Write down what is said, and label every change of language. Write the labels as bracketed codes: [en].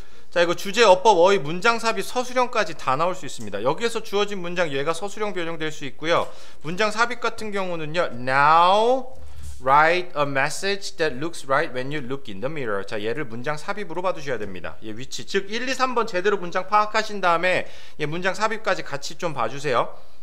[ko] 자, 이거 주제, 어법, 어휘, 문장, 삽입, 서술형까지 다 나올 수 있습니다. 여기에서 주어진 문장, 얘가 서술형 변형될 수 있고요. 문장, 삽입 같은 경우는요. [en] Now write a message that looks right when you look in the mirror. [ko] 자, 얘를 문장, 삽입으로 받으셔야 됩니다. 얘 위치, 즉 1, 2, 3번 제대로 문장 파악하신 다음에 얘 문장, 삽입까지 같이 좀 봐주세요.